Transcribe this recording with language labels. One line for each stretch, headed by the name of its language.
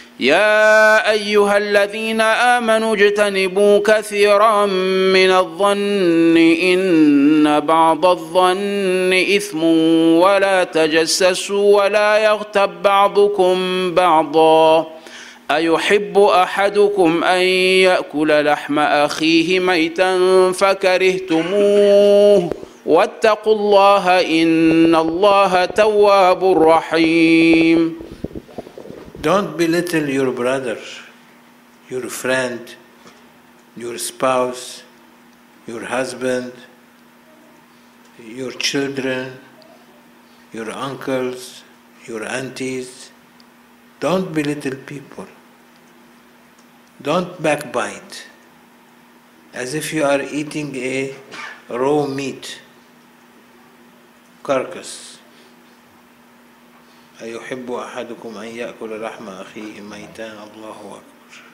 Arabic: يا أيها الذين آمنوا اجتنبوا كثيرا من الظن إن بعض الظن إثم ولا تجسسوا ولا يغتب بعضكم بعضا أيحب أحدكم أن يأكل لحم أخيه ميتا فكرهتموه واتقوا الله إن الله تواب رحيم.
English: Don't belittle your brother, your friend, your spouse, your husband, your children, your uncles, your aunties. Don't belittle people. Don't backbite as if you are eating a raw meat carcass.
Arabic: أيحب أحدكم أن يأكل لحم أخيه ميتان الله أكبر.